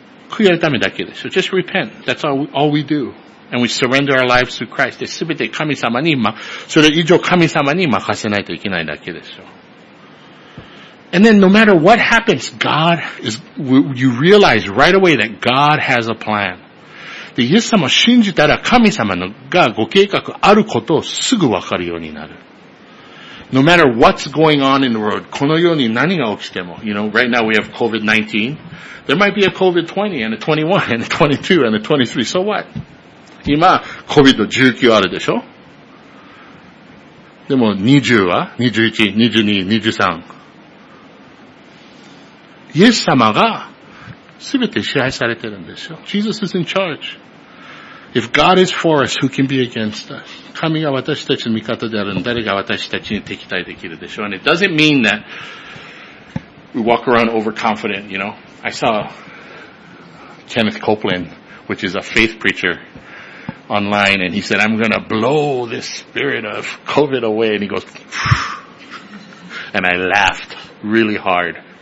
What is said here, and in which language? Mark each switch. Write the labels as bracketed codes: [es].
[ja] 悔い改めだけでしょ。 [en] Just repent. That's all we do. And we surrender our lives to Christ. [ja] で、すべて神様に、それ以上神様に任せないといけないだけでしょ。 [en] And then no matter what happens, God is, you realize right away that God has a plan. [ja] で、イエス様を信じたら神様のがご計画あることをすぐわかるようになる。 [en] No matter what's going on in the world, [ja] この世に何が起きても、 [en] you know, right now we have COVID-19, there might be a COVID-20 and a 21 and a 22 and a 23, so what? [ja] 今、COVID-19 あるでしょ? でも20は ?21、22、23。イエス様が全て支配されてるんでしょ? [en] Jesus is in charge. If God is for us, who can be against us? [ja] 神が私たちの味方であるの、誰が私たちに敵対できるでしょう? [en] And it doesn't mean that we walk around overconfident, you know. I saw Kenneth Copeland, which is a faith preacher, online, and he said, I'm going to blow this spirit of COVID away. And he goes, and I laughed really hard.